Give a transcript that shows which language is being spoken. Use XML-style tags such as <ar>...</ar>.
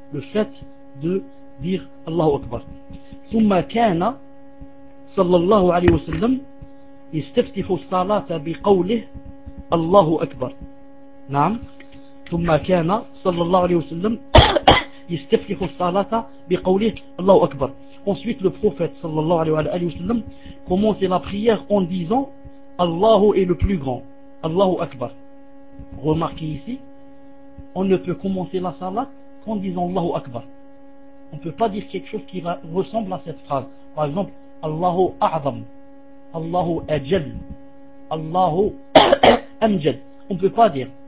<fr>Le fait de dire Allahu Akbar.</fr> <ar>ثم كان صلى الله عليه وسلم يستفتح الصلاة بقوله الله أكبر. نعم. ثم كان صلى الله عليه وسلم يستفتح الصلاة بقوله الله أكبر.</ar> <fr>Ensuite le prophète</fr> <ar>صلى الله عليه وسلم</ar> <fr>commence la prière en disant الله est le plus grand.</fr> <ar>الله أكبر.</ar> <fr>Remarquez ici, on ne peut commencer la salat qu'en disant</fr> <ar>الله أكبر.</ar> <fr>On ne peut pas dire quelque chose qui ressemble à cette phrase. Par exemple, Allahu A'zam, Allahu Ajal, Allahu Amjad. On ne peut pas dire.</fr>